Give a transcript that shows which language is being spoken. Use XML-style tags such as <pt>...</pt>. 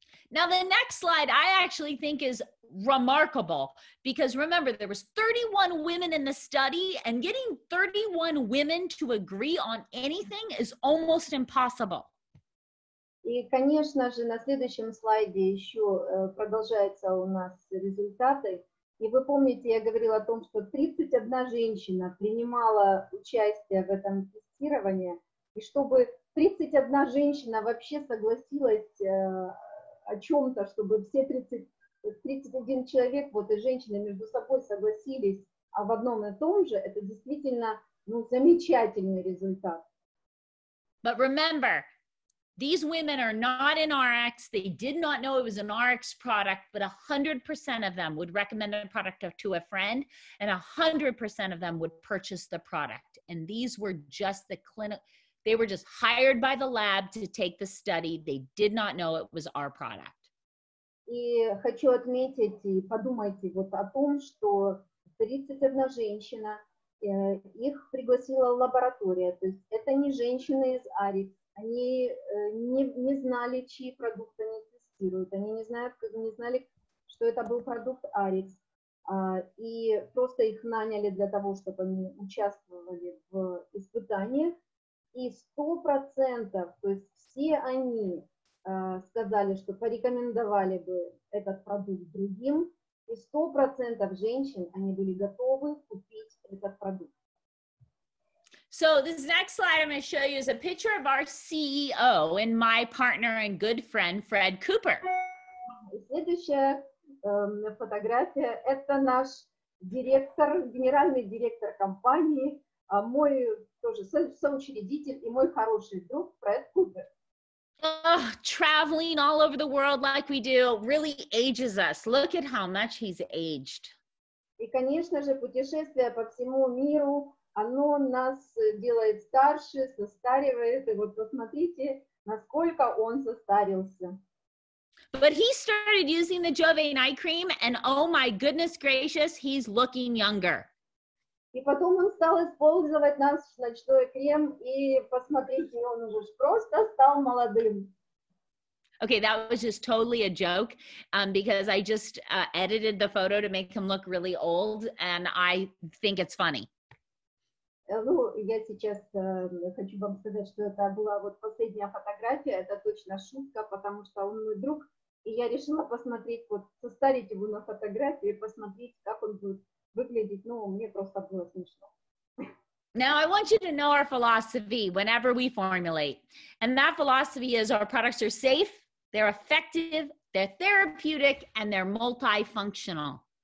<en>Now the next slide I actually think is remarkable because remember there was 31 women in the study and getting 31 women to agree on anything is almost impossible.</en> <ru>И, конечно же, на следующем слайде еще продолжаются у нас результаты. И вы помните, я говорила о том, что 31 женщина принимала участие в этом тестировании, и чтобы 31 женщина вообще согласилась о чем-то, чтобы все 31 человек, вот и женщины между собой согласились, а в одном и том же, это действительно, ну, замечательный результат.</ru> <en>But remember, these women are not in Ariix, they did not know it was an Ariix product, but 100% of them would recommend the product to a friend, and 100% of them would purchase the product. And these were just the clinic, they were just hired by the lab to take the study, they did not know it was our product.</en> <ru>И хочу отметить, и подумайте вот о том, что 31 женщина, их пригласила лаборатория, то есть это не женщины из Ariix. Они не знали, чьи продукты они тестируют. Они не знали, что это был продукт Ariix. И просто их наняли для того, чтобы они участвовали в испытаниях. И 100%, то есть все они сказали, что порекомендовали бы этот продукт другим. И 100% женщин, они были готовы купить этот продукт.</ru> <en>So this next slide I'm going to show you is a picture of our CEO and my partner and good friend, Fred Cooper.</en> <ru>Следующая фотография – это наш директор, генеральный директор компании, мой тоже соучредитель и мой хороший друг Фред Купер.</ru> <en>Oh, traveling all over the world like we do really ages us. Look at how much he's aged.</en> <ru>И, конечно же, путешествия по всему миру – оно нас делает старше, состаривает. И вот посмотрите, насколько он состарился.</ru> <en>But he started using the Jouve night cream, and oh my goodness gracious, he's looking younger.</en> <ru>И потом он стал использовать наш ночной крем, и посмотрите, он уже просто стал молодым.</ru> <en>Okay, that was just totally a joke, because I just edited the photo to make him look really old, and I think it's funny.</en> <ru>Ну, я сейчас хочу вам сказать, что это была вот последняя фотография, это точно шутка, потому что он мой друг, и я решила посмотреть, вот составить его на фотографии, посмотреть, как он будет выглядеть, ну, мне просто было смешно.</ru> <en>Now, I want you to know our philosophy whenever we formulate, and that philosophy is our products are safe, they're effective, they're therapeutic, and they're multifunctional.</en>